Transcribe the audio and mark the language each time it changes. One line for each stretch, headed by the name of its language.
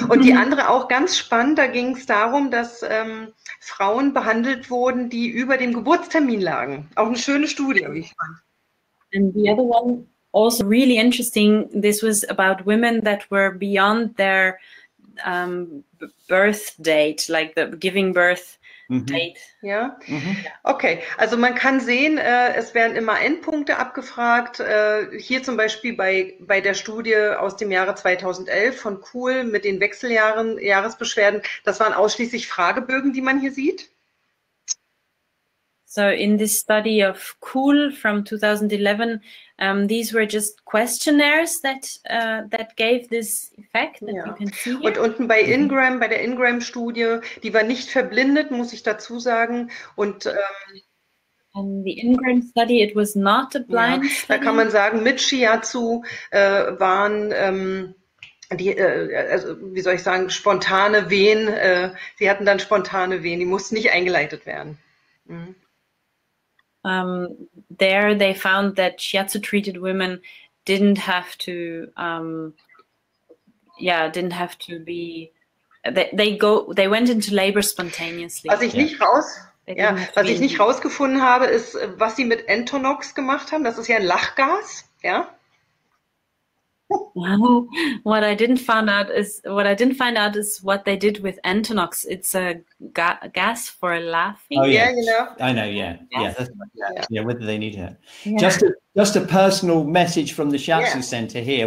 German: Und die andere auch ganz spannend, da ging es darum, dass Frauen behandelt wurden, die über dem Geburtstermin lagen. Auch eine schöne Studie, wie ich fand.
English: And the other one, also really interesting, this was about women that were beyond their birth date, like the giving birth date. Mhm. Ja, mhm. Okay.
German: Also man kann sehen, es werden immer Endpunkte abgefragt. Hier zum Beispiel bei der Studie aus dem Jahre 2011 von Kuhl mit den Wechseljahren, Jahresbeschwerden. Das waren ausschließlich Fragebögen, die man hier sieht.
English: So in this study of COOL from 2011, these were just questionnaires that that gave this effect that you can see.
German: Und unten bei Ingram, bei der Ingram-Studie, die war nicht verblindet, muss ich dazu sagen. Und
English: And the Ingram study, it was not a blind study.
German: Da kann man sagen, mit Shiatsu waren die, also, wie soll ich sagen, spontane Wehen. Sie hatten dann spontane Wehen, die mussten nicht eingeleitet werden.
English: There they found that Shiatsu-treated women didn't have to, didn't have to be, they went into labor spontaneously.
German: Was ich nicht raus... Ja, was ich nicht rausgefunden habe, ist, was sie mit Entonox gemacht haben. Das ist ja ein Lachgas, ja?
English: What I didn't find out is what they did with Entonox. It's a gas for laughing. Oh yeah, you know. I know, yeah. Whether they need it. Yeah. Just a personal message from the Shiatsu Center here.